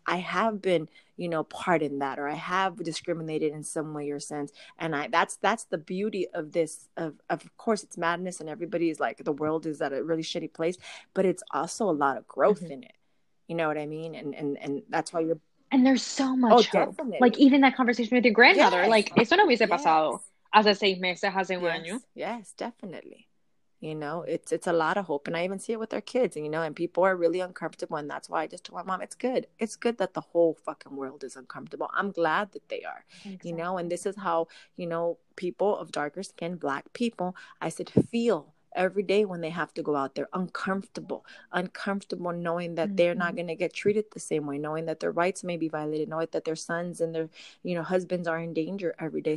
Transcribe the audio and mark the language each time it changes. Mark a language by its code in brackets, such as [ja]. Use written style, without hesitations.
[en] I have been, you know, part in that, or I have discriminated in some way or sense. And that's the beauty of this. Of course, it's madness and everybody is like, the world is at a really shitty place, but it's also a lot of growth in it. You know what I mean? And that's why you're... And there's so much hope. Definitely. Like even that conversation with your grandmother, yes. [es] Like, eso no hubiese pasado hace 6 meses, hace un año. [en] Yes, definitely. You know, it's a lot of hope. And I even see it with our kids, and, you know, and people are really uncomfortable. And that's why I just told my mom, it's good. It's good that the whole fucking world is uncomfortable. I'm glad that they are, exactly. You know, and this is how, you know, people of darker skin, black people, I said, feel every day when they have to go out there, uncomfortable knowing that they're not going to get treated the same way, knowing that their rights may be violated, knowing that their sons and their, you know, husbands are in danger every day.